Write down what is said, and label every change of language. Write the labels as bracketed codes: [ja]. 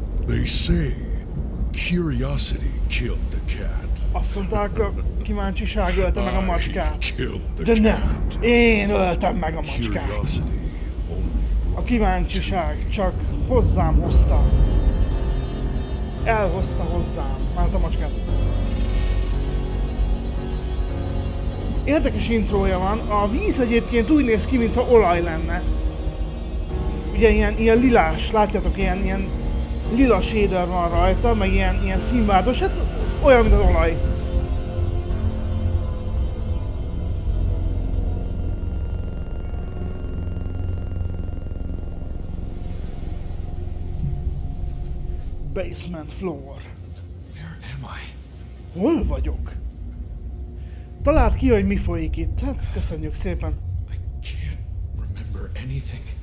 [en] They say curiosity killed the cat. [hu] Azt mondták, a kíváncsiság ölte meg a macskát. De nem, én öltem meg a macskát. A kíváncsiság csak hozzám hozta. Elhozta hozzám, mert a macskát. Érdekes intrója van. A víz egyébként úgy néz ki, mintha olaj lenne. Ugye ilyen lilás, látjátok, ilyen lila shader van rajta, meg ilyen színváltos, hát olyan, mint az olaj. [en] Basement floor. Where am I? [hu] Hol vagyok? Találd ki, hogy mi folyik itt. Hát, köszönjük szépen. [en] I can't remember anything.